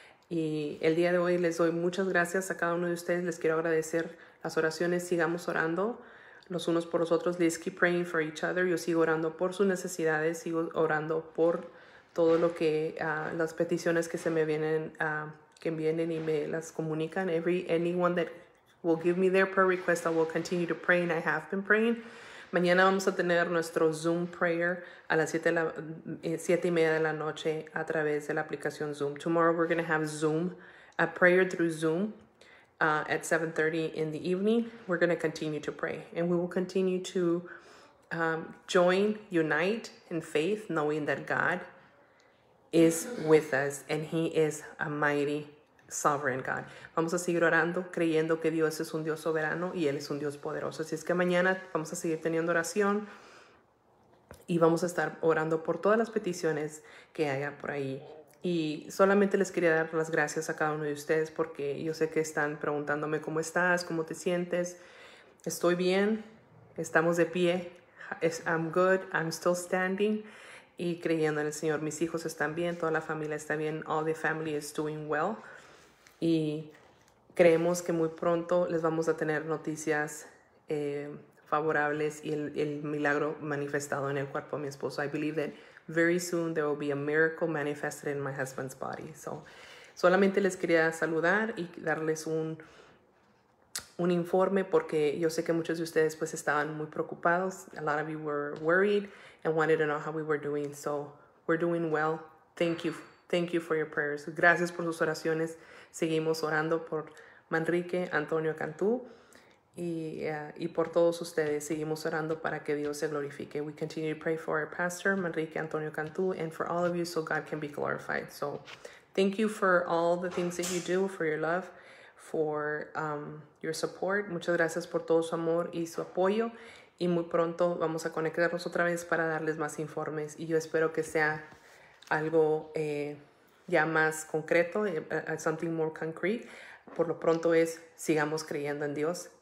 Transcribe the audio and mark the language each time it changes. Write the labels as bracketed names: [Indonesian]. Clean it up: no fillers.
[Spanish] Y el día de hoy les doy muchas gracias a cada uno de ustedes. Les quiero agradecer las oraciones. Sigamos orando los unos por los otros. [English] Let's keep praying for each other. [Spanish] Yo sigo orando por sus necesidades. Sigo orando por todo lo que, las peticiones que se me vienen, que vienen y me las comunican. [English] Anyone that will give me their prayer request, I will continue to pray, and I have been praying. [Spanish] Mañana vamos a tener nuestro Zoom prayer a las 7:30 de la noche a través de la aplicación Zoom. [English] Tomorrow we're going to have Zoom, a prayer through Zoom. At 7:30 in the evening, we're going to continue to pray. And we will continue to join, unite in faith, knowing that God is with us. And he is a mighty, sovereign God. [Spanish] Vamos a seguir orando, creyendo que Dios es un Dios soberano y Él es un Dios poderoso. Así es que mañana vamos a seguir teniendo oración. Y vamos a estar orando por todas las peticiones que haya por ahí. Y solamente les quería dar las gracias a cada uno de ustedes porque yo sé que están preguntándome cómo estás, cómo te sientes. Estoy bien, estamos de pie. [English] I'm good, I'm still standing. [Spanish] Y creyendo en el Señor, mis hijos están bien, toda la familia está bien. [English] All the family is doing well. [Spanish] Y creemos que muy pronto les vamos a tener noticias favorables y el milagro manifestado en el cuerpo de mi esposo. [English] I believe that very soon there will be a miracle manifested in my husband's body. [Spanish] So, solamente les quería saludar y darles un informe porque yo sé que muchos de ustedes pues estaban muy preocupados. [English] A lot of you were worried and wanted to know how we were doing. So, we're doing well. Thank you for your prayers. [Spanish] Gracias por sus oraciones. Seguimos orando por Manrique, Antonio Cantú. Y por todos ustedes, seguimos orando para que Dios se glorifique. [English] We continue to pray for our pastor, Manrique Antonio Cantú, and for all of you so God can be glorified. So thank you for all the things that you do, for your love, for your support. [Spanish] Muchas gracias por todo su amor y su apoyo. Y muy pronto vamos a conectarnos otra vez para darles más informes. Y yo espero que sea algo ya más concreto, [English] something more concrete. [Spanish] Por lo pronto es, sigamos creyendo en Dios.